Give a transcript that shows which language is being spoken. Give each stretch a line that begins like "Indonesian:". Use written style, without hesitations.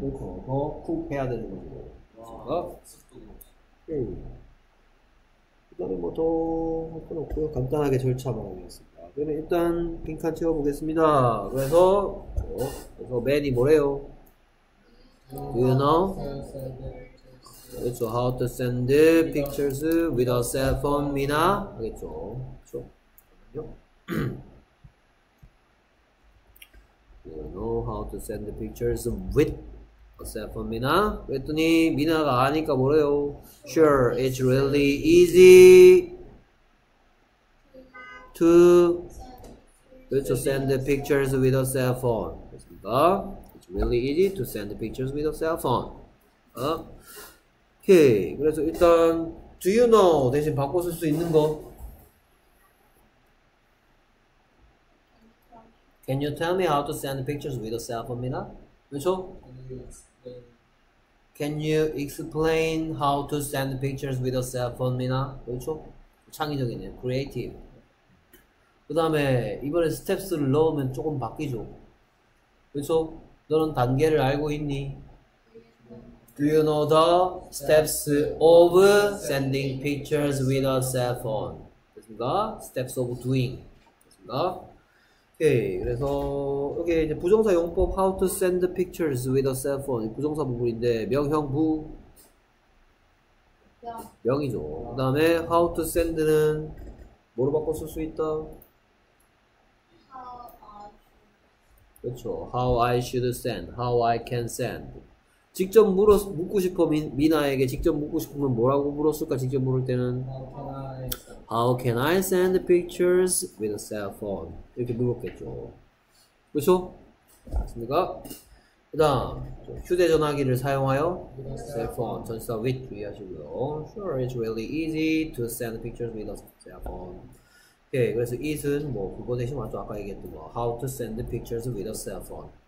Korean: 그렇죠. 더 쿡 해야 되는 거죠. 와 오케이. 그 다음에 뭐 더 할 건 없고요. 간단하게 절차만 하겠습니다. 그러면 일단 빈칸 채워보겠습니다. 그래서 그래서 맨이 뭐래요?
English: Do you know? So how to send pictures with a cell phone, Mina?
Korean: 하겠죠. 그렇죠.
English: Do you know how to send pictures with except for Mina?
Korean: 그랬더니 미나가 아니까 뭐래요?
English: Sure, it's really easy to
Korean: 그렇죠,
English: send the pictures with a cell phone.
Korean: 그렇습니까?
English: It's really easy to send the pictures with a cell phone.
Korean: 오케이, 그래서 일단
English: Do you know
Korean: 대신 바꿔 쓸 수 있는 거?
English: Can you tell me how to send pictures with a cell phone, Mina?
Korean: 그렇죠?
English: Can you explain how to send pictures with a cell phone, Mina?
Korean: 그렇죠? 창의적이네요. Creative. 그 다음에 이번에 스텝스를 넣으면 조금 바뀌죠. 그렇죠? 너는 단계를 알고 있니?
English: Do you know the steps of sending pictures with a cell phone?
Korean: 됐습니까?
English: Steps of doing.
Korean: 됐습니까? 오케이. 그래서 여기 이제 부정사 용법
English: how to send pictures with a cell phone
Korean: 부정사 부분인데 명형부 명이죠. 그 다음에 how to send는 뭐로 바꿔 쓸 수 있다?
English: How I should.
Korean: 그렇죠.
English: How I should send. How I can send.
Korean: 직접 물어 묻고 싶어 미나에게 직접 묻고 싶으면 뭐라고 물었을까? 직접 물을 때는
English: How can I send pictures with a cell phone?
Korean: 이렇게 물었겠죠. 그렇죠? 맞습니까? 그 다음 휴대전화기를 사용하여
English: cell phone
Korean: 전시사 with 이해하시고요.
English: Sure, it's really easy to send pictures with a cell phone.
Korean: 오케이, 그래서 it은 뭐 그거 대신 맞죠? 아까 얘기했던 거
English: How to send pictures with a cell phone.